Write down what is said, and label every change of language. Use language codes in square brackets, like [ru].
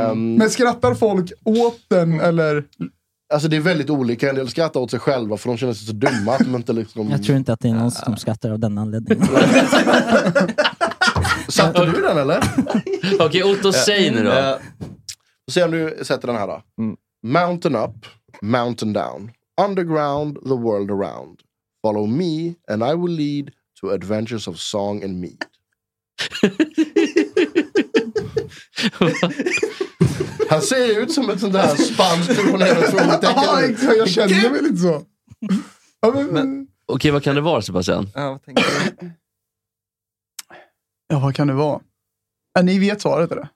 [sv] Men skrattar folk åt den eller? Alltså det är väldigt olika. En del skrattar åt sig själva för de känner sig så dumma. Att de inte liksom... Jag tror inte att det är någon som skrattar av den anledningen. Satte du den eller? Okej, Otto, säg nu då. Och se om du sätter den här då. [en] Mountain up, mountain down, underground, the world around. Follow me and I will lead to adventures of song and mead. [sv] Han ser ut som ett sånt där spanskt jag känner mig lite så. Okej, vad kan det vara, Sebastian? Ja, vad kan det vara? Ni vet svaret, eller?